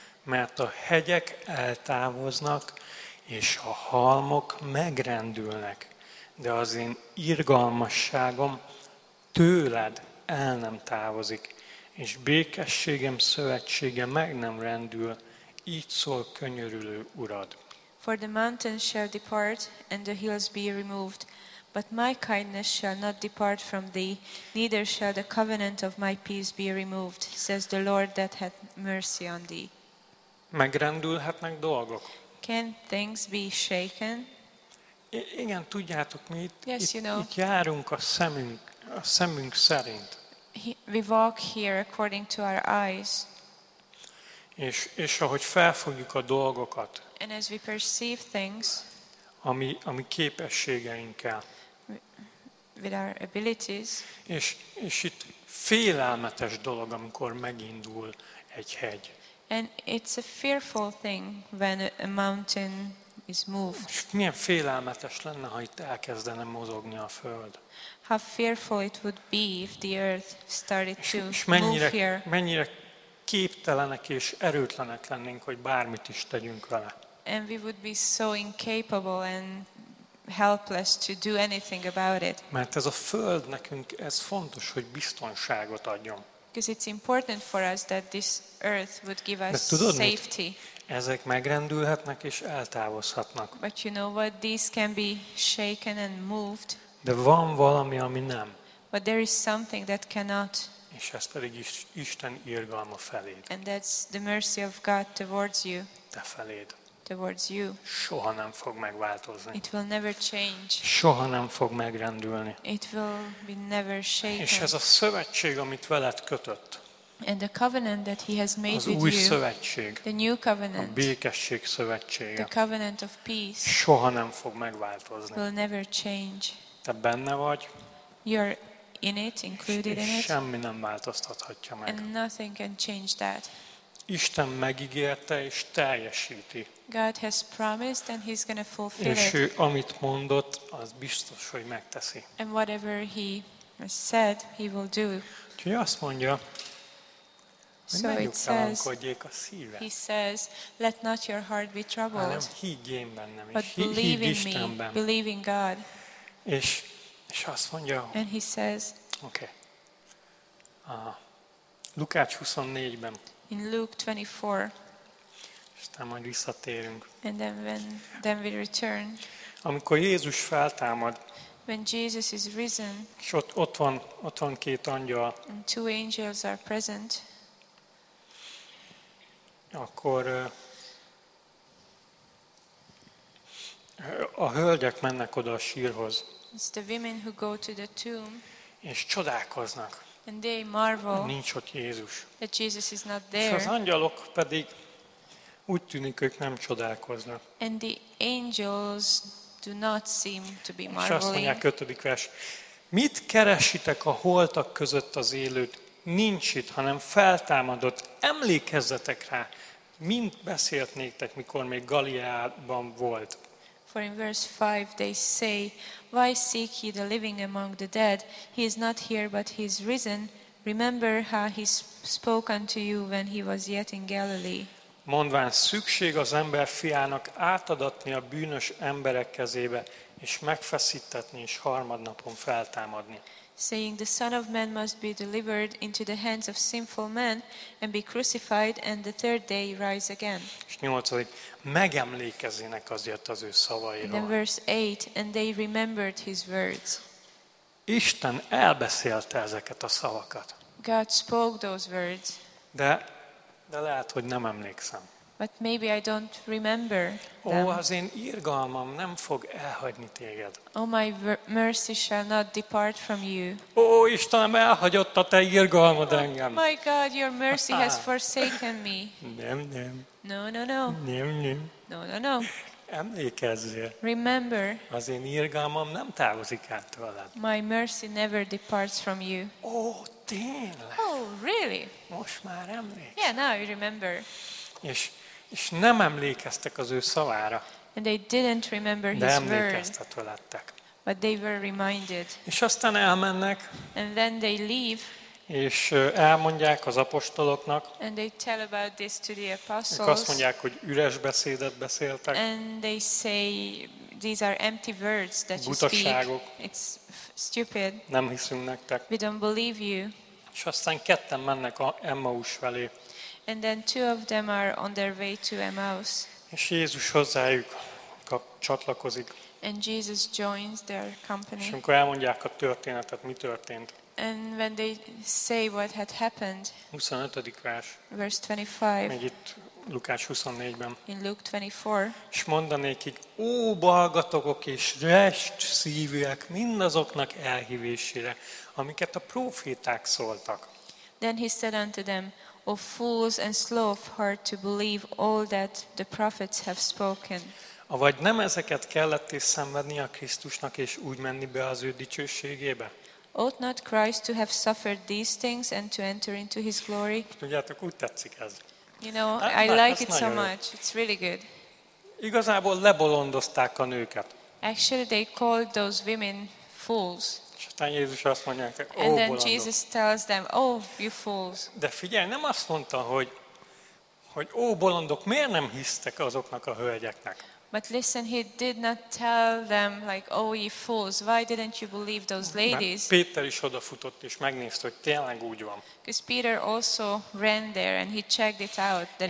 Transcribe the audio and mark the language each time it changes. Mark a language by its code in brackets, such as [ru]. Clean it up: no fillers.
[hu] Mert a hegyek eltávoznak, és a halmok megrendülnek, de az én irgalmasságom tőled el nem távozik, és békességem szövetsége meg nem rendül, így szól könyörülő urad. [en] For the mountains shall depart and the hills be removed, but my kindness shall not depart from thee, neither shall the covenant of my peace be removed, says the Lord that hath mercy on thee. [hu] Megrendülhetnek dolgok. [en] Can things be shaken? [hu] Igen, tudjátok mi itt, [en] yes, you know. [hu] Itt járunk a szemünk szerint. [en] We walk here according to our eyes. [hu] És ahogy felfogjuk a dolgokat. [en] And as we perceive things. [hu] Ami képességeinkkel. [en] With our abilities. [hu] És itt félelmetes dolog, amikor megindul egy hegy. [en] And it's a fearful thing when a mountain is moved. [hu] Milyen félelmetes lenne, ha itt elkezdene mozogni a föld. [en] How fearful it would be if the earth started to move here. [hu] Mennyire képtelenek és erőtlenek lennénk, hogy bármit is tegyünk vele. [en] And we would be so incapable and helpless to do anything about it. [hu] Mert ez a föld nekünk, ez fontos, hogy biztonságot adjon. [en] Because it's important for us that this earth would give us safety. [hu] Ezek megrendülhetnek és eltávozhatnak. [en] But you know what? These can be shaken and moved. [hu] De van valami, ami nem. [en] But there is something that cannot. [hu] És ez pedig Isten irgalma feléd. [en] And that's the mercy of God towards you. [hu] Te feléd. [en] Towards you. [hu] Soha nem fog megváltozni. [en] It will never change. [hu] Soha nem fog megrendülni. [en] It will be never shaken. [hu] És ez a szövetség, amit veled kötött. [en] And the covenant that he has made with you. [hu] Az új szövetség. [en] The new covenant. [hu] A békesség szövetsége. [en] The covenant of peace. [hu] Soha nem fog megváltozni. [en] Will never change. [hu] Te benne vagy. [en] You're in it, included in it. [hu] Semmi nem változtathatja meg. [en] And nothing can change that. [hu] Isten megígérte és teljesíti. [en] God has promised and he's going to fulfill it. [hu] És ő, amit mondott, az biztos, hogy megteszi. [en] And whatever he has said, he will do. [hu] Úgyhogy azt mondja, [en] so it says, [hu] a szíve. [en] He says, let not your heart be troubled. [hu] Hanem higgy én bennem, [en] but believe in me, believe in God. [hu] És azt mondja, [en] and he says, okay. [hu] Lukács 24-ben. [en] In Luke 24. [hu] És aztán majd visszatérünk. [en] And then we return. [hu] Amikor Jézus feltámad. [en] When Jesus is risen. [hu] És ott van két angyal. [en] And two angels are present. [hu] Akkor a hölgyek mennek oda a sírhoz. [en] It's the women who go to the tomb. [hu] És csodálkoznak. [en] And they marvel. [hu] Nincs ott Jézus. [en] That Jesus is not there. [hu] És az angyalok pedig úgy tűnik, ők nem csodálkoznak. [en] And the angels do not seem to be marveling. [hu] És azt mondják, 5. vers. Mit keresitek a holtak között az élőt? Nincs itt, hanem feltámadott. Emlékezzetek rá, mint beszélt néktek, mikor még Galileában volt. [en] For in verse 5 they say, why seek ye the living among the dead? He is not here, but he is risen. Remember how he spoke unto you when he was yet in Galilee. [hu] Mondván, szükség az ember fiának átadatni a bűnös emberek kezébe, és megfeszítetni, és harmadnapon feltámadni. [en] Saying the Son of Man must be delivered into the hands of sinful men and be crucified and the third day rise again. [hu] És 8. Megemlékezzenek azért az ő szavairól. [en] In verse 8, and they remembered his words. [hu] Isten elbeszélte ezeket a szavakat. [en] God spoke those words. [hu] De lehet, hogy nem emlékszem. [en] But maybe I don't remember them. [hu] Ó, az én irgalmam nem fog elhagyni téged. [en] Oh, my mercy shall not depart from you. [hu] Ó, Istenem, elhagyott a te irgalmad engem. [en] Oh my God, your mercy has forsaken me. [hu] Nem. [en] No. [hu] Nem. [en] No. [hu] Emlékezzél. [en] Remember. [hu] Az én irgalmam nem távozik el tőled. [en] My mercy never departs from you. [hu] Ó, tényleg. [en] Oh, really? [hu] Most már emlékszem. [en] Yeah, now you remember. [hu] És nem emlékeztek az ő szavára. [en] And they didn't remember his word. [hu] De emlékeztetve lettek. [en] But they were reminded. [hu] És aztán elmennek. [en] And then they leave. [hu] És elmondják az apostoloknak. [en] And they tell about this to the apostles. [hu] Ők azt mondják, hogy üres beszédet beszéltek. [en] And they say these are empty words that you speak. [hu] Butaságok. [en] It's stupid. [hu] Nem hiszünk nektek. [en] We don't believe you. [hu] És aztán ketten mennek a Emmaus felé. [en] And then two of them are on their way to Emmaus. [hu] És Jézus hozzájuk csatlakozik. [en] And Jesus joins their company. [hu] És amikor elmondják a történetet, mi történt. [en] And when they say what had happened. [hu] 25. vers. [en] Verse 25. [hu] Még itt Lukács 24-ben. [en] In Luke 24. [hu] És mondanékig, ó, balgatogok és rest szívűek mindazoknak elhívésére, amiket a proféták szóltak. [en] Then he said unto them, O fools and slow of heart to believe all that the prophets have spoken. [hu] Avagy nem ezeket kellett is szenvedni a Krisztusnak és úgy menni be az ő dicsőségébe? [en] Ought not Christ to have suffered these things and to enter into his glory? [hu] Tudjátok, úgy tetszik ez. [en] You know, I like it so much. It's really good. [hu] Igazából lebolondozták a nőket. [en] Actually, they called those women fools. [hu] Aztán Jézus azt mondja, ó, bolondok. [en] And then Jesus tells them, oh, you fools. [hu] De figyelj, nem azt mondta, hogy ó, bolondok, miért nem hisztek azoknak a hölgyeknek? [en] But listen, he did not tell them, like, oh, you fools, why didn't you believe those ladies? [hu] Mert Péter is odafutott, és megnézte, hogy tényleg úgy van. [en] Because Peter also ran there, and he checked it out, that